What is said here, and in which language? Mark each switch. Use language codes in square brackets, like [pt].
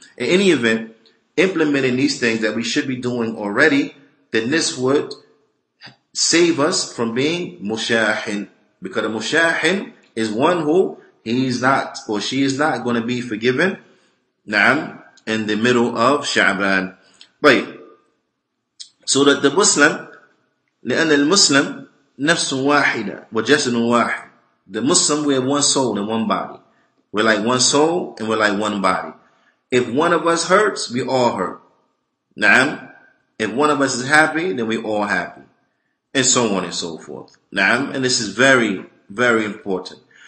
[en] In any event, implementing these things that we should be doing already, then this would save us from being mushahin. Because a mushahin is one who he's not, or she is not, going to be forgiven. Na'am, in the middle of Sha'ban. But so that the Muslim, [ar] لأن المسلم نفس واحدة وجسد واحد. [en] The Muslim, we have one soul and one body. We're like one soul and we're like one body. If one of us hurts, we all hurt. Na'am. If one of us is happy, then we all happy. And so on and so forth. Na'am. And this is very, very important.